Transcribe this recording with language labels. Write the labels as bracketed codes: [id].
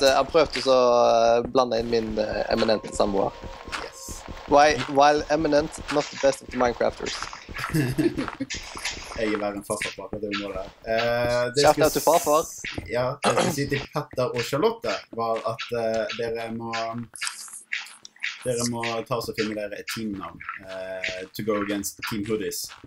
[no] Jeg prøvde så blande inn min eminente samboer. [en] Yes. While eminent, not the best of the Minecrafters. [no] Jeg er verden farfar på akkurat det området. Kjæft deg til farfar! Ja, det jeg skal si til Petter og Charlotte var at dere må ta oss og finne dere et teamnavn. [en] To go against Team Hoodies.